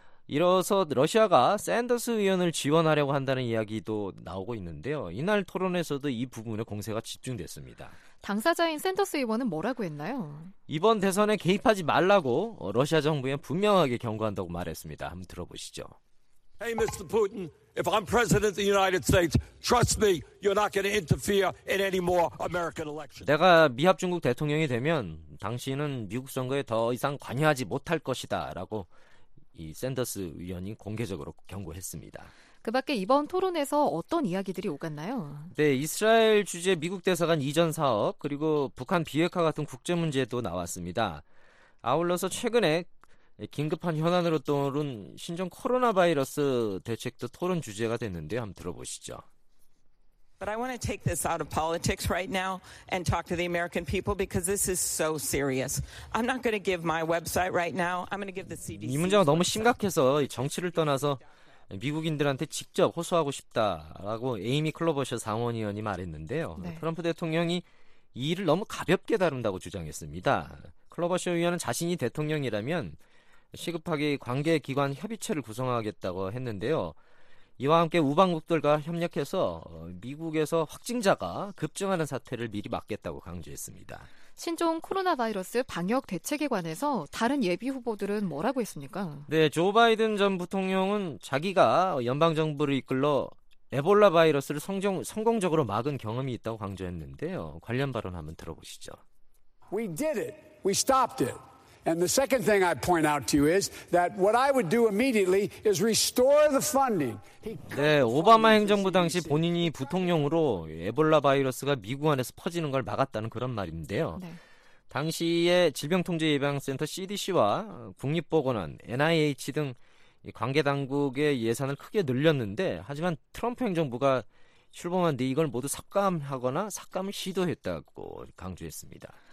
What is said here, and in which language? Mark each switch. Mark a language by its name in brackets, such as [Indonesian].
[Korean] 이로써 러시아가 샌더스 의원을 지원하려고 한다는 이야기도 나오고 있는데요. 이날 토론에서도 이 부분에 공세가 집중됐습니다. 당사자인 샌더스 의원은 뭐라고 했나요? 이번 대선에 개입하지 말라고 러시아 정부에 분명하게 경고한다고 말했습니다. 한번 들어보시죠. [English] Hey, Mr. Putin. If I'm president of the United States, trust me, you're not going to interfere in any more American elections. [Korean] 내가 미합중국 대통령이 되면 당신은 미국 선거에 더 이상 관여하지 못할 것이다 라고 이 샌더스 의원이 공개적으로 경고했습니다. 그 밖에 이번 토론에서 어떤 이야기들이 오갔나요? 네, 이스라엘 주재 미국 대사관 이전 사업 그리고 북한 비핵화 같은 국제 문제도 나왔습니다. 아울러서 최근에 긴급한 현안으로 떠오른 신종 코로나 바이러스 대책도 토론 주제가 됐는데요. 한번 들어보시죠. [English] But I want to take this out of politics right now and talk to the American people because this is so serious. I'm not going to give my website right now. I'm going to give the CDC. [Korean] 이 문제가 너무 심각해서 정치를 떠나서 미국인들한테 직접 호소하고 싶다라고 에이미 클로버셔 상원의원이 말했는데요. 네. 트럼프 대통령이 이 일을 너무 가볍게 다룬다고 주장했습니다. 클로버셔 의원은 자신이 대통령이라면 시급하게 관계기관 협의체를 구성하겠다고 했는데요. 이와 함께 우방국들과 협력해서 미국에서 확진자가 급증하는 사태를 미리 막겠다고 강조했습니다. 신종 코로나 바이러스 방역 대책에 관해서 다른 예비 후보들은 뭐라고 했습니까? 네, 조 바이든 전 부통령은 자기가 연방정부를 이끌러 에볼라 바이러스를 성공적으로 막은 경험이 있다고 강조했는데요. 관련 발언 한번 들어보시죠. [English] We did it. We stopped it. And the second thing I point out to you is that what I would do immediately is restore the funding. [Korean] 네, 오바마 행정부 당시 본인이 부통령으로 에볼라 바이러스가 미국 안에서 퍼지는 걸 막았다는 그런 말인데요. 네. 당시에 질병통제예방센터 CDC와 국립보건원, NIH 등 관계 당국의 예산을 크게 늘렸는데 하지만 트럼프 행정부가 출범한 뒤 이걸 모두 삭감하거나 삭감을 시도했다고 강조했습니다.